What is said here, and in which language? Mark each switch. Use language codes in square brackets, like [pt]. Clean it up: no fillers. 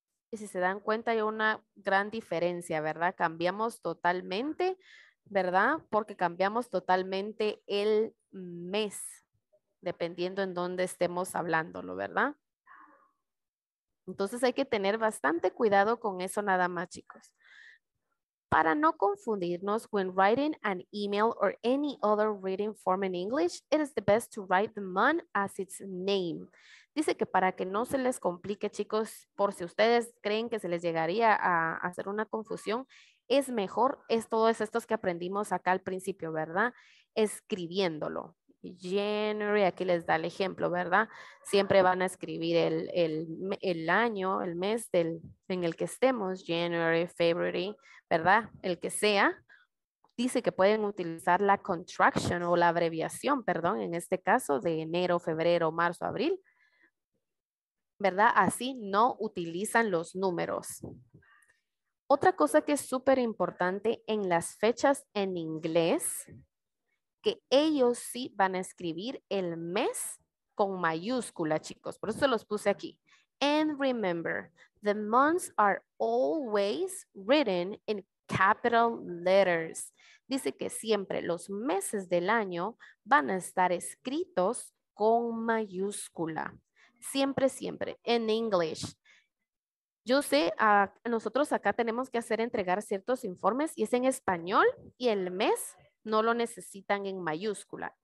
[es] Y si se dan cuenta hay una gran diferencia, ¿verdad? Cambiamos totalmente, ¿verdad? Porque cambiamos totalmente el mes, dependiendo en dónde estemos hablándolo, ¿verdad? Entonces hay que tener bastante cuidado con eso nada más, chicos. Para no confundirnos, [en] when writing an email or any other written form in English, it is the best to write the month as its name. [es] Dice que para que no se les complique, chicos, por si ustedes creen que se les llegaría a hacer una confusión, es mejor, es todos estos que aprendimos acá al principio, ¿verdad? Escribiéndolo. January, aquí les da el ejemplo, ¿verdad? Siempre van a escribir el año, el mes del, en el que estemos, January, February, ¿verdad? El que sea. Dice que pueden utilizar la contraction o la abreviación, perdón, en este caso de enero, febrero, marzo, abril, ¿verdad? Así no utilizan los números. Otra cosa que es súper importante en las fechas en inglés, que ellos sí van a escribir el mes con mayúscula, chicos. Por eso los puse aquí. [en] And remember, the months are always written in capital letters. [es] Dice que siempre los meses del año van a estar escritos con mayúscula. Siempre, siempre, en inglés. Yo sé, nosotros acá tenemos que hacer entregar ciertos informes y es en español y el mes no lo necesitan en mayúscula.